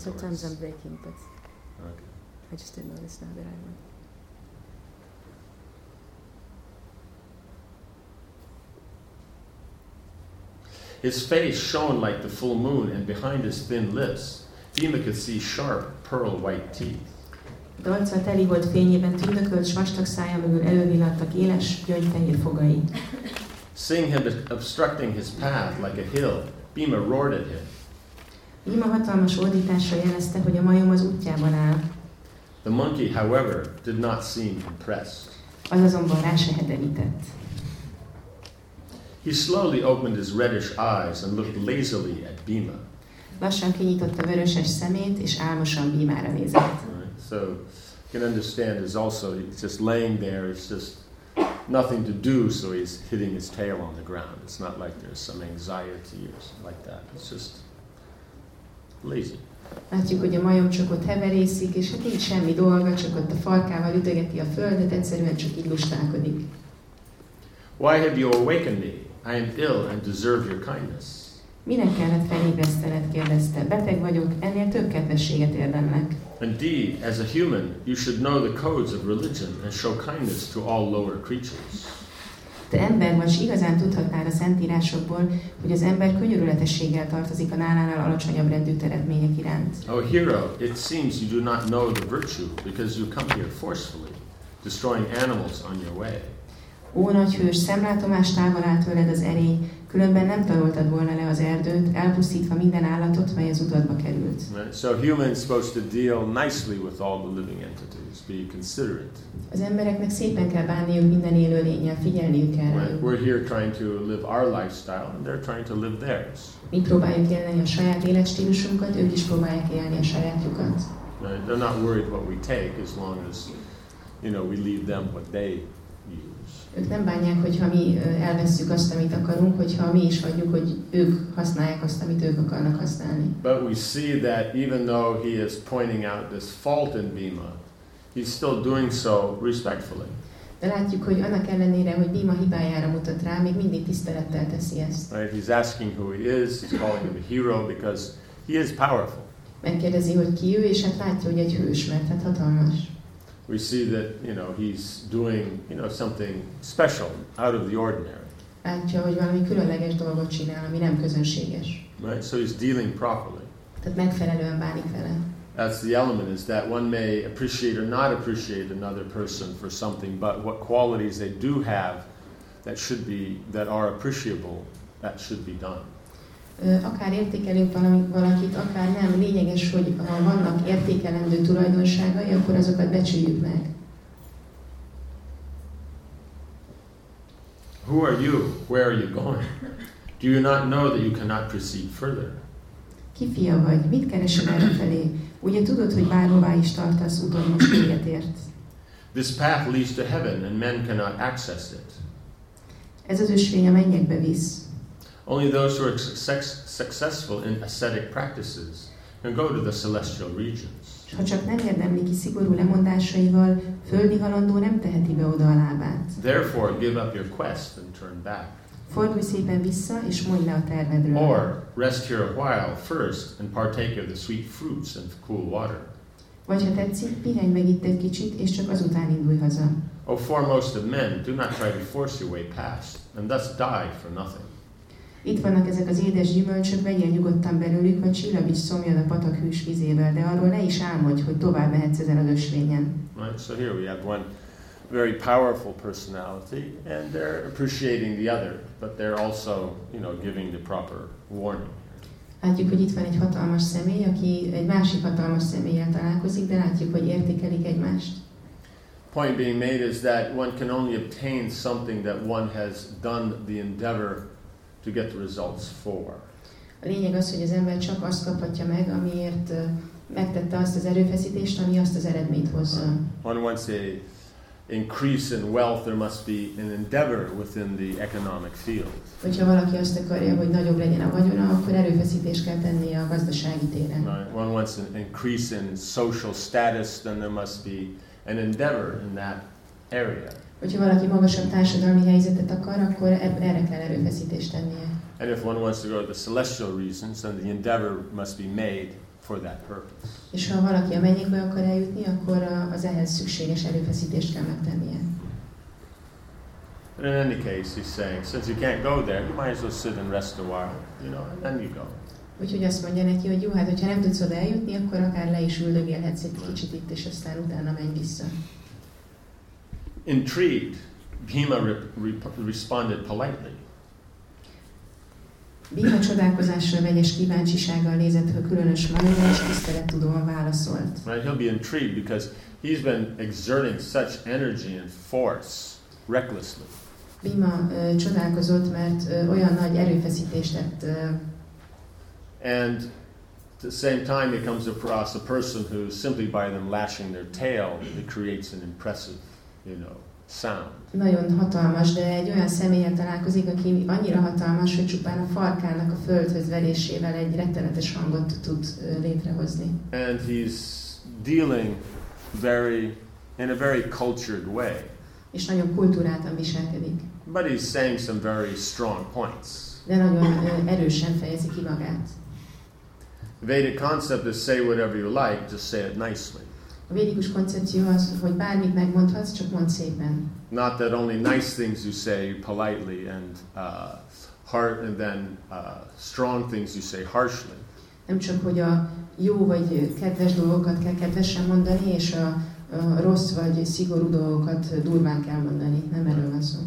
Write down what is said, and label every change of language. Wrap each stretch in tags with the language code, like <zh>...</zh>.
<en>Sometimes I'm breaking, but okay. I just didn't notice now that I went. His face shone like the full moon, and behind his thin lips, Bhima could see sharp pearl white teeth.</en> <hu>Arca teli volt fényében tündökölt, s vastag szája mögül elővillantak éles gyöngyfehér fogai.</hu> <en>Seeing him obstructing his path like a hill, Bhima roared at him.</en> <hu>Bhima hatalmas ordítással jelezte, hogy a majom az útjában áll.</hu> <en>The monkey, however, did not seem impressed.</en> <hu>Az azonban rá se hetenített.</hu> <en>He slowly opened his reddish eyes and looked lazily at Bhima.</en> <hu>Lassan kinyitotta vöröses szemét, és álmosan Bhimára nézett.</hu> <en>Right. So, you can understand is also, it's just laying there, it's just nothing to do, so he's hitting his tail on the ground. It's not like there's some anxiety or something like that. It's just lazy.</en> <hu>Látjuk, hogy a majom csak ott heverészik, és hát nincs semmi dolga, csak ott a farkával ütögeti a földet, egyszerűen csak így lustálkodik.</hu> <en>Why have you awakened me? I am ill and deserve your kindness.</en> <hu>Minek kellett felébresztened, kérdezte. Beteg vagyok, ennél több kedvességet érdemlek.</hu> <en>Indeed, as a human, you should know the codes of religion and show kindness to all lower creatures.</en> <hu>Te ember vagy, igazán tudhatnál a szentírásokból, hogy az ember könyörületességgel tartozik a nálánál alacsonyabb rendű teremtmények iránt.</hu> <en>Oh hero, it seems you do not know the virtue because you come here forcefully. destroying animals on your way.</en> <hu>Ó nagy hős, szemlátomás távol áll tőled az erény, különben nem taroltad volna le az erdőt, elpusztítva minden állatot, mely az utadba került.</hu> <en>Right. So humans supposed to deal nicely with all the living entities, be considerate.</en> <hu>Az embereknek szépen kell bánniuk minden élő lényel, figyelniük kell.</hu> <en>Right. We're here trying to live our lifestyle, and they're trying to live theirs.</en> <hu>Mi próbáljuk élni a saját életstílusunkat, ők is próbálják élni a sajátjukat.</hu> <en>Right. They're not worried what we take, as long as, you know, we leave them what they</en> <hu>ők nem bánják, hogyha mi elvesszük azt, amit akarunk, hogyha mi is hagyjuk, hogy ők használják azt, amit ők akarnak használni.</hu> <en>But we see that even though he is pointing out this fault in Bhima, he's still doing so respectfully.</en> <hu>De látjuk, hogy annak ellenére, hogy Bhima hibájára mutat rá, még mindig tisztelettel teszi ezt.</hu> <en>Right, he's asking who he is, he's calling him a hero, because he is powerful.</en> <hu>Megkérdezi, hogy ki ő, és hát látja, hogy egy hős, mert hát hatalmas.</hu> <en>We see that, you know, he's doing, you know, something special, out of the ordinary.</en> <hu>Látja, hogy valami különleges dolgot csinál, ami nem közönséges.</hu> <en>Right, so he's dealing properly.</en> <hu>Tehát megfelelően bánik vele.</hu> <en>That's the element, is that one may appreciate or not appreciate another person for something, but what qualities they do have that should be, that are appreciable, that should be done.</en> <hu>Akár értékelünk valakit, akár nem, lényeges, hogy ha vannak értékelendő tulajdonságai, akkor azokat becsüljük meg.</hu> <en>Who are you? Where are you going? Do you not know that you cannot proceed further?</en> <hu>Ki fia vagy? Mit keresel errefelé? Ugye tudod, hogy bárhová is tartasz, úton most véget értsz.</hu> <en>This path leads to heaven, and men cannot access it.</en> <hu>Ez az ösvény a mennyekbe visz.</hu> <en>Only those who are successful in ascetic practices can go to the celestial regions.</en> <hu>Ha csak nem érdemli ki szigorú lemondásaival, földi halandó nem teheti be oda a lábát.</hu> <en>Therefore, give up your quest and turn back.</en> <hu>Fordulj szépen vissza, és mondj le a tervedről.</hu> <en>Or rest here a while first and partake of the sweet fruits and the cool water.</en> <hu>Vagy ha tetszik, pihenj meg itt egy kicsit, és csak azután indulj haza.</hu> <en>O foremost of men, do not try to force your way past, and thus die for nothing.</en> <hu>Itt vannak ezek az édes gyümölcsök, vegyél nyugodtan belőlük, vagy csillabíts szomjad a patak hűs vizével, de arról ne is álmodj, hogy tovább mehetsz ezen az ösvényen.</hu> <en>Right, so here we have one very powerful personality, and they're appreciating the other, but they're also, you know, giving the proper warning.</en> <hu>Látjuk, hogy itt van egy hatalmas személy, aki egy másik hatalmas személlyel találkozik, de látjuk, hogy értékelik egymást.</hu> <en>Point being made is that one can only obtain something that one has done the endeavor to get the results for.</en> <hu>A lényeg az, hogy az ember csak azt kaphatja meg, amiért megtette azt az erőfeszítést, ami azt az eredményt hozza.</hu> <en>One wants a increase in wealth, there must be an endeavor within the economic field.</en> <hu>Hogyha valaki azt akarja, hogy nagyobb legyen a vagyona, akkor erőfeszítést kell tennie a gazdasági téren.</hu> <en>One wants an increase in social status, then there must be an endeavor in that area.</en> <hu>Hogyha valaki magasabb társadalmi helyzetet akar, akkor erre kell erőfeszítést tennie.</hu> <en>And if one wants to go to the celestial reasons, then the endeavor must be made for that purpose.</en> <hu>És ha valaki a mennyekbe akar eljutni, akkor az ehhez szükséges erőfeszítést kell megtennie.</hu> <en>But in any case, he's saying, since you can't go there, you might as well sit and rest a while, you know, and then you go.</en> <hu>Úgyhogy azt mondja neki, hogy jó, hát hogyha nem tudsz oda eljutni, akkor akár le is üldögélhetsz egy kicsit itt, és aztán utána menj vissza.</hu> <en>Intrigued, Bhima responded politely.</en> <hu>Bhima csodálkozásra vegyes kíváncsisággal nézett, hogy különös magyarul és tisztelettudóan válaszolt.</hu> <en>Right, he'll be intrigued because he's been exerting such energy and force recklessly.</en> <hu>Bhima csodálkozott, mert olyan nagy erőfeszítést tett.</hu> <en>And at the same time, he comes across a person who, simply by them lashing their tail, it creates an impressive, you know, sound.</en> <hu>Nagyon hatalmas, de egy olyan személlyel találkozik, aki annyira hatalmas, hogy csupán a farkának a földhöz verésével egy rettenetes hangot tud létrehozni.</hu> <en>And he's dealing very, in a very cultured way.</en> <hu>És nagyon kultúráltan viselkedik.</hu> <en>But he's saying some very strong points.</en> <hu>De nagyon erősen fejezi ki magát.</hu> <en>The Vedic concept is say whatever you like, just say it nicely.</en> <hu>A védikus koncepció az, hogy bármit megmondhatsz, csak mondd szépen.</hu> <en>Not that only nice things you say politely and hard, and then strong things you say harshly.</en> <hu>Nem csak, hogy a jó vagy kedves dolgokat kell kedvesen mondani, és a rossz vagy szigorú dolgokat durván kell mondani, nem erről van szó.</hu>